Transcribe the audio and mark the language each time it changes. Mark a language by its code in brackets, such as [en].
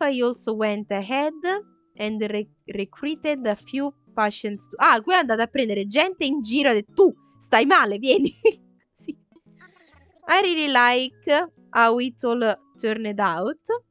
[en] I also went ahead and recruited a few patients. [it] Ah, qui è andata a prendere gente in giro e tu stai male, vieni. Sì. [en] I really like how it all turned out.